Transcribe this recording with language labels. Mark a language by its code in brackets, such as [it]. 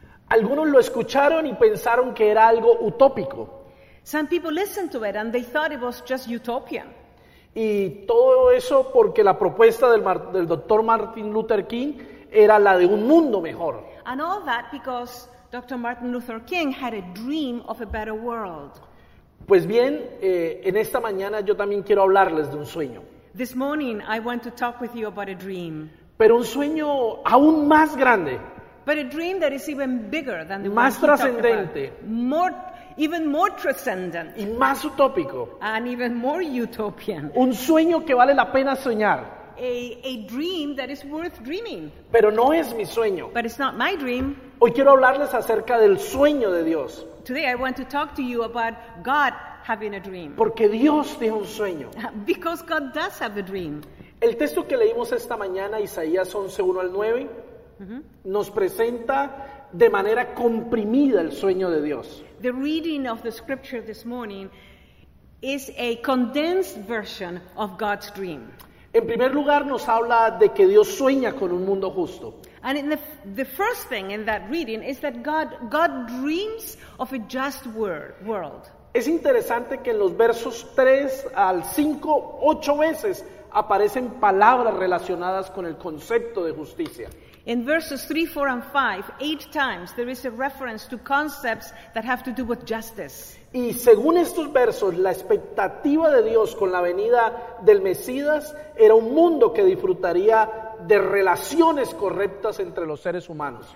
[es] Algunos lo escucharon y pensaron que era algo utópico. [en] Some people listened to it and they thought it was just utopian. [es] Y todo eso porque la propuesta del Dr. Martin Luther King era la de un mundo mejor. [en] And all that because Dr. Martin Luther King had a dream of a better world. [es] Pues bien, en esta mañana yo también quiero hablarles de un sueño. [en] This morning I want to talk with you about a dream. [es] Pero un sueño aún más grande. [en] But a dream that is even bigger than the one. [es] Más trascendente. [en] Even more transcendent. [es] Y más utópico. [en] And even more utopian. [es] Un sueño que vale la pena soñar. [en] A dream that is worth dreaming. [es] Pero no es mi sueño. [en] But it's not my dream. [es] Hoy quiero hablarles acerca del sueño de Dios. [en] Today I want to talk to you about God having a dream. [es] Porque Dios tiene un sueño. [en] Because God does have a dream. [es] El texto que leímos esta mañana, Isaías 11:1 al 9, nos presenta de manera comprimida el sueño de Dios. [en] The reading of the scripture this morning is a condensed version of God's dream. [es] En primer lugar, nos habla de que Dios sueña con un mundo justo. [en] And in the first thing in that reading is that God dreams of a just world. [es] Es interesante que en los versos 3 al 5, 8 veces, aparecen palabras relacionadas con el concepto de justicia. [en] In verses 3, 4, and 5, 8 times, there is a reference to concepts that have to do with justice. [es] Y según estos versos, la expectativa de Dios con la venida del Mesías era un mundo que disfrutaría de relaciones correctas entre los seres humanos.